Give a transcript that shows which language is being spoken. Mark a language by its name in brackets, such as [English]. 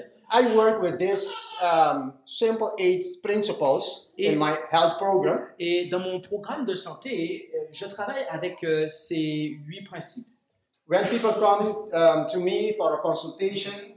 [English] I work with this simple eight principles in my health program. [French] Et dans mon programme de santé, je travaille avec ces huit principes. [English] When people come to me for a consultation,